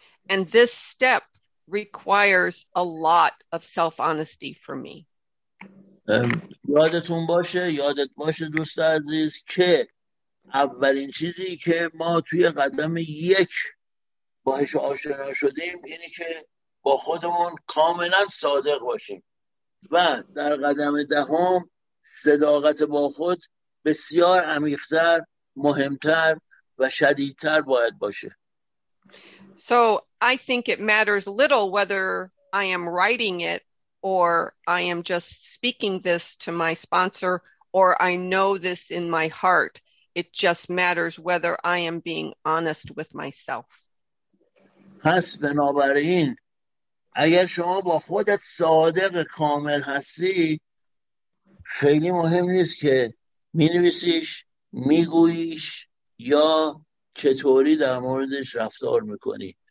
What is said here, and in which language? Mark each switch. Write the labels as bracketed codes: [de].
[en] And this step requires a lot of self-honesty for me. [fa] یادت باشه دوست عزیز که اولین چیزی که ما توی قدم یک باهاش آشنا شدیم اینه که با خودمون کاملا صادق باشیم و در قدم دهم صداقت با خود بسیار عمیق‌تر، مهمتر و شدیدتر باید باشه. [en] So I think it matters little whether I am writing it or I am just speaking this to my sponsor, or I know this in my heart. It just matters whether I am being honest with myself. [fa] پس بنابراین اگر شما با خودت صادق کامل هستی، خیلی مهم نیست که می نویسیش، می گوییش، یا چطوری در موردش رفتار میکنی.